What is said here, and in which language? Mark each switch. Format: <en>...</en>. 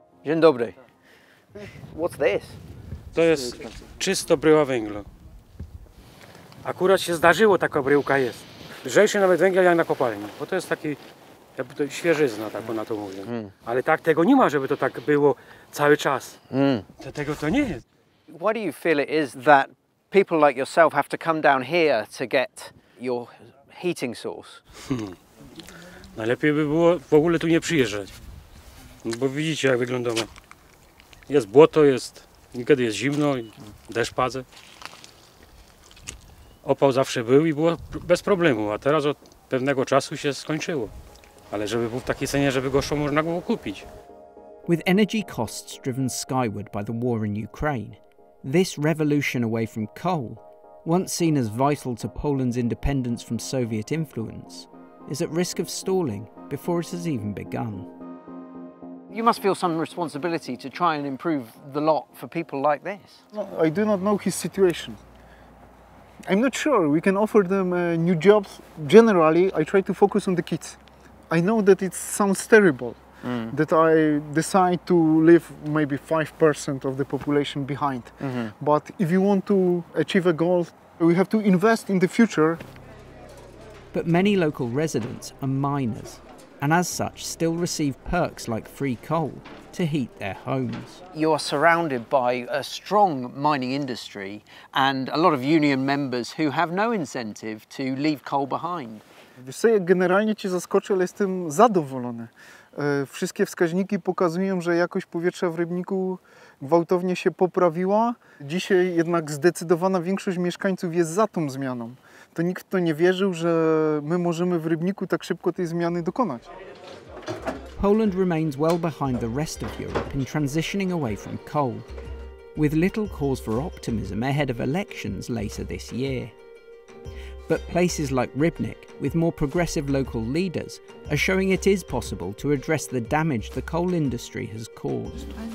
<pl>Dzień dobry.</pl> <en>What's this?</en> <pl>To jest czysto bryła węgla. Akurat się zdarzyło, taka bryłka jest. Lżejszy nawet węgiel jak na kopalni, bo to jest taki jakby to świeżyzna, tak ona to mówi. Mm. Ale tak tego nie ma, żeby to tak było cały czas. Mm. Tego to nie jest.</pl> <en>Why do you feel it is that people like yourself have to come down here to get your heating source?</en> <pl>Najlepiej by było w ogóle tu nie przyjeżdżać. Bo widzicie, jak wyglądamy. Jest błoto, jest, nigdy jest zimno, deszcz padze. Opał zawsze był i było bez problemu, a teraz od pewnego czasu się skończyło. Ale żeby był w takiej cenie, żeby go szło, można było kupić.</pl> <en>With energy costs driven skyward by the war in Ukraine, this revolution away from coal, once seen as vital to Poland's independence from Soviet influence, is at risk of stalling before it has even begun. You must feel some responsibility to try and improve the lot for people like this. No, I do not know his situation. I'm not sure. We can offer them new jobs. Generally, I try to focus on the kids. I know that it sounds terrible that I decide to leave maybe 5% of the population behind. Mm-hmm. But if you want to achieve a goal, we have to invest in the future. But many local residents are miners, and as such, still receive perks like free coal to heat their homes. You are surrounded by a strong mining industry and a lot of union members who have no incentive to leave coal behind.</en> <pl>Wiesz co, ja generalnie cię zaskoczę, ale jestem zadowolony. Wszystkie wskaźniki pokazują, że jakość powietrza w Rybniku gwałtownie się poprawiła. Dzisiaj jednak zdecydowana większość mieszkańców jest za tą zmianą. To nikt to nie wierzył, że my możemy w Rybniku tak szybko tej zmiany dokonać.</pl> <en>Poland remains well behind the rest of Europe in transitioning away from coal, with little cause for optimism ahead of elections later this year. But places like Rybnik, with more progressive local leaders, are showing it is possible to address the damage the coal industry has caused.</en>